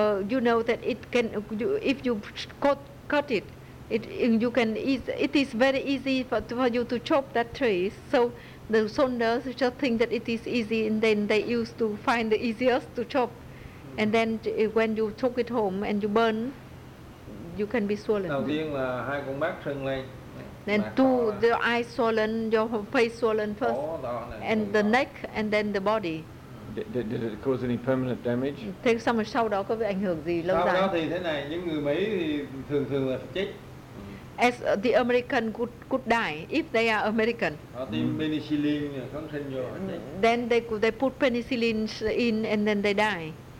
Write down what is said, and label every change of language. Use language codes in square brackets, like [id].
[en] You know that it can if you cut it, you can it is very easy for you to chop that tree. So the soldiers just think that it is easy, and then they used to find the easiest to chop. And then when you took it home and you burn, you can be swollen. [vi] Đầu tiên là hai con mắt sưng lên. [en] Then your eyes swollen, your face swollen first, and the neck, and then the body. Did it cause any permanent damage? [vi] Thế xong rồi sau đó có bị ảnh hưởng gì lâu sau dài? Sau đó thì thế này, những người Mỹ thì thường thường là chết. [en] as the American could die if they are American. [vi] Penicillin kháng sinh vô. [en] Then they put penicillin in and then they die.